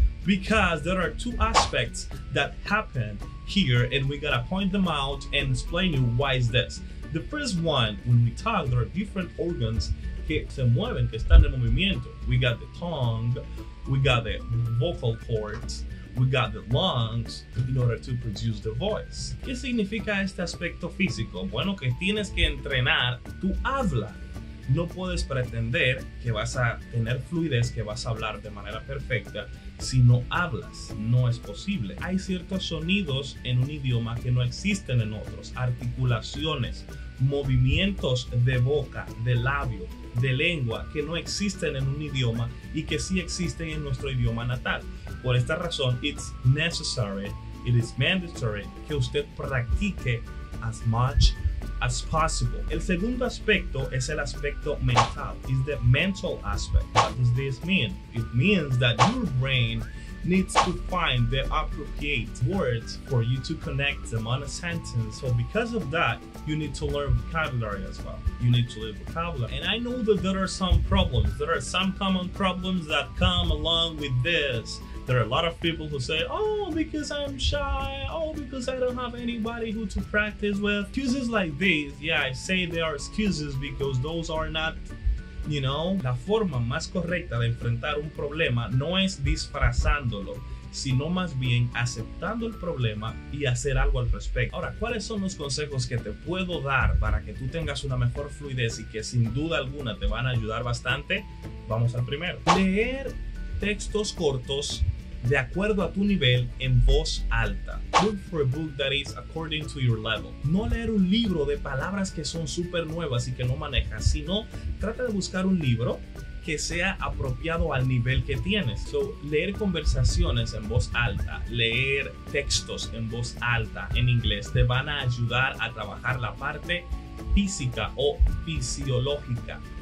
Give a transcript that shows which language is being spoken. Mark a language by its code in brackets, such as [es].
[en] Because there are two aspects that happen here and we gotta point them out and explain you why is this. The first one, when we talk, there are different organs [es] que se mueven, que están en movimiento. [en] We got the tongue, we got the vocal cords, we got the lungs in order to produce the voice. [es] ¿Qué significa este aspecto físico? Bueno, que tienes que entrenar tu habla. No puedes pretender que vas a tener fluidez, que vas a hablar de manera perfecta si no hablas. No es posible. Hay ciertos sonidos en un idioma que no existen en otros. Articulaciones, movimientos de boca, de labio, de lengua que no existen en un idioma y que sí existen en nuestro idioma natal. Por esta razón, [en] it's necessary, it is mandatory [es] que usted practique [en] as much as possible. [es] El segundo aspecto es el aspecto mental, [en] is the mental aspect. What does this mean? It means that your brain needs to find the appropriate words for you to connect them on a sentence. So because of that, you need to learn vocabulary as well. You need to learn vocabulary. And I know that there are some problems. There are some common problems that come along with this. There are a lot of people who say, oh, because I'm shy. Oh, because I don't have anybody who to practice with. Excuses like these, yeah, I say they are excuses because those are not, you know. [es] La forma más correcta de enfrentar un problema no es disfrazándolo, sino más bien aceptando el problema y hacer algo al respecto. Ahora, ¿cuáles son los consejos que te puedo dar para que tú tengas una mejor fluidez y que sin duda alguna te van a ayudar bastante? Vamos al primero. Leer textos cortos de acuerdo a tu nivel en voz alta. [en] Look for a book that is according to your level. [es] No leer un libro de palabras que son súper nuevas y que no manejas, sino trata de buscar un libro que sea apropiado al nivel que tienes. So, leer conversaciones en voz alta, leer textos en voz alta en inglés te van a ayudar a trabajar la parte física o fisiológica,